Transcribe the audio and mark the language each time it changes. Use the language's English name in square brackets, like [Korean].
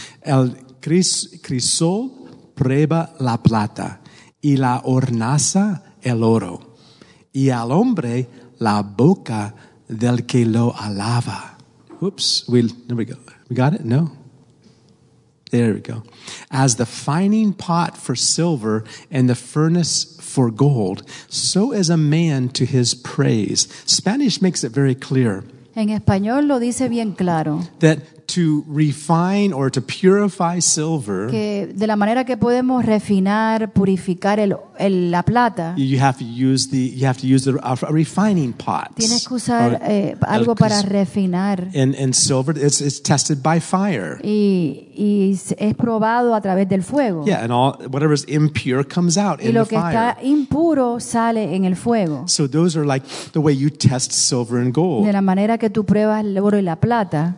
[Spanish] El crisol prueba la plata y la hornaza el oro y al hombre la boca del que lo alaba. [English] Oops, there we go. We got it? No. There we go. As the fining pot for silver and the furnace for gold, so is a man to his praise. Spanish makes it very clear. [Spanish] En español lo dice bien claro. [English] That to refine or to purify silver, [Spanish] que de la manera que podemos refinar, purificar la plata, [English] you have to use the refining pots. [Spanish] Tienes que usar algo para refinar. [English] And silver, it's tested by fire. [Spanish] Y es probado a través del fuego. [English] Yeah, and all whatever is impure comes out in [Spanish] Y lo que está impuro sale en el fuego. [English] So those are like the way you test silver and gold. [Spanish] De la manera que tú pruebas el oro y la plata.